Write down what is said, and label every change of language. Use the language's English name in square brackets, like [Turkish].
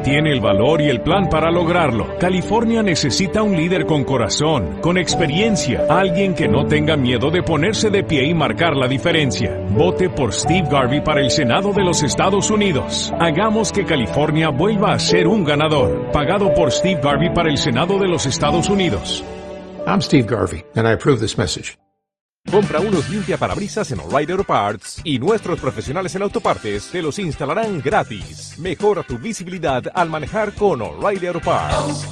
[Spanish] Tiene el valor y el plan para lograrlo. California necesita un líder con corazón, con experiencia, alguien que no tenga miedo de ponerse de pie y marcar la diferencia. Vote por Steve Garvey para el Senado de los Estados Unidos. Hagamos que California vuelva a ser un ganador. Pagado por Steve Garvey para el Senado de los Estados Unidos. [English] I'm Steve Garvey, and I approve this message. [Spanish] Compra unos limpiaparabrisas en O'Reilly Auto Parts y nuestros profesionales en autopartes te los instalarán gratis. Mejora tu visibilidad al manejar con O'Reilly Auto Parts.